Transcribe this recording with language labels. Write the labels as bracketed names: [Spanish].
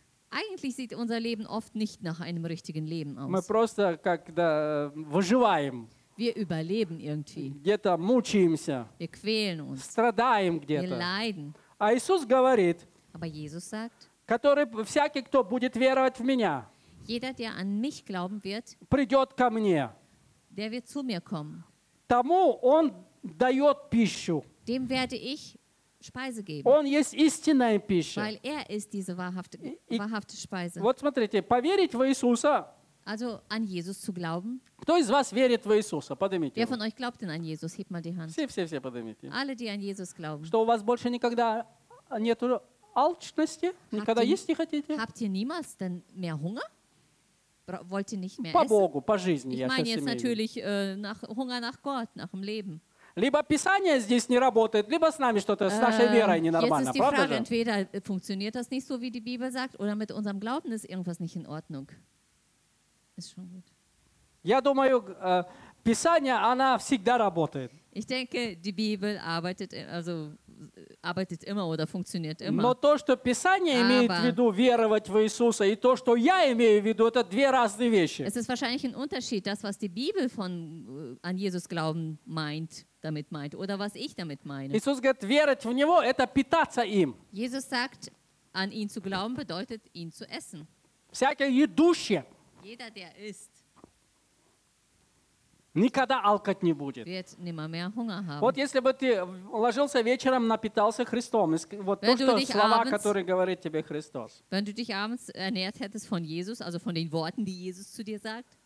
[German] Eigentlich sieht unser Leben oft nicht nach einem richtigen Leben aus. [Russian] Мы просто как-то выживаем. [German] Wir überleben irgendwie. [Russian] Где-то мучаемся. [German] Wir quälen uns. [Russian] Страдаем где-то. [German] Wir leiden. [Russian] А Иисус говорит, [German] Aber Jesus sagt, [Russian] который всякий, кто будет веровать в меня, [German] jeder, der an mich glauben wird, [Russian] придет ко мне, [German] der wird zu mir kommen, [Russian] тому он дает пищу. [German] Dem werde ich Speise geben. [Russian] Он есть истинная пища. [German] Weil er ist diese wahrhafte Speise. [Russian] Вот смотрите, поверить в Иисуса. [German] Also an Jesus zu glauben. [Russian] Кто из вас верит в Иисуса? Поднимите. [German] Wer von euch glaubt denn an Jesus? Hebt mal die Hand. [Russian] Все поднимите. [German] Alle, die an Jesus glauben. [Russian] Что у вас больше никогда нету алчности? Никогда есть не хотите? [German] Habt ihr niemals denn mehr Hunger? Wollt ihr nicht mehr [Russian] по Богу, по жизни. [German] Ich meine jetzt natürlich nach Hunger nach Gott, nach dem Leben. [Russian] Либо Писание здесь не работает, либо с нами что-то с нашей верой ненормально, правда? [German] Jetzt ist die Frage, entweder funktioniert das nicht so, wie die Bibel sagt, oder mit unserem Glauben ist irgendwas nicht in Ordnung. Ist schon gut. [Russian] Я думаю, Писание, она всегда работает. [German] Ich denke, die Bibel arbeitet, also arbeitet immer oder funktioniert immer. [Russian] Но то, что Писание имеет в виду веровать в Иисуса, и то, что я имею в виду, это две разные вещи. [German] Es ist wahrscheinlich ein Unterschied, das, was die Bibel von an Jesus glauben meint, damit meint, oder was ich damit meine. [Russian] Иисус говорит, верить в него – это питаться им. [German] Jesus sagt, an ihn zu glauben bedeutet, ihn zu essen. [Russian] Всякое идущее. [German] Jeder, der isst. [Russian] Никогда алкать не будет. [German] Wird nimmermehr Hunger haben. [Russian] Вот если бы ты ложился вечером, напитался Христом, вот [German] wenn [Russian] то, что слова, [German] abends, [Russian] которые говорит тебе Христос. [German] Wenn du dich abends ernährt hättest von Jesus, also von den Worten, die Jesus zu dir sagt.